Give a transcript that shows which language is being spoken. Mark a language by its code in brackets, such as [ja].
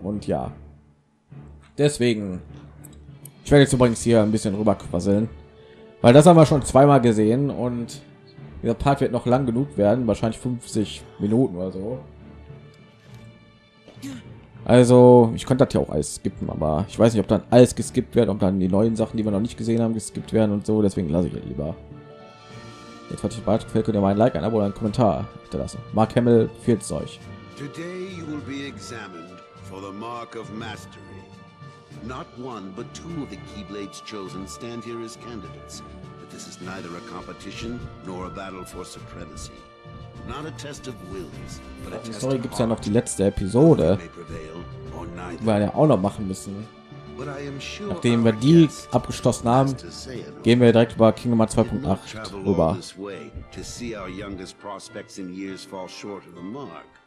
[de] Und ja, deswegen, ich werde jetzt übrigens hier ein bisschen rüberquasseln, weil das haben wir schon 2-mal gesehen und dieser Part wird noch lang genug werden, wahrscheinlich 50 Minuten oder so. Also, ich könnte das ja auch alles skippen, aber ich weiß nicht, ob dann alles geskippt wird, ob dann die neuen Sachen, die wir noch nicht gesehen haben, geskippt werden und so, deswegen lasse ich es lieber. Jetzt, falls euch bald gefällt, könnt ihr mal ein Like, ein Abo oder einen Kommentar hinterlassen. Mark Hamill, fehlt's euch. [en] Today you will be examined for the mark of mastery. Not one, but two of the Keyblades chosen stand here as candidates. But this is neither a competition nor a battle for supremacy. Not a test of wills, but a test of [de] Sorry, gibt's ja noch die letzte Episode, die wir ja auch noch machen müssen. Nachdem wir die abgeschlossen haben, gehen wir direkt über Kingdom Hearts 2.8 rüber. [en] To see our youngest prospects in years fall short of the mark.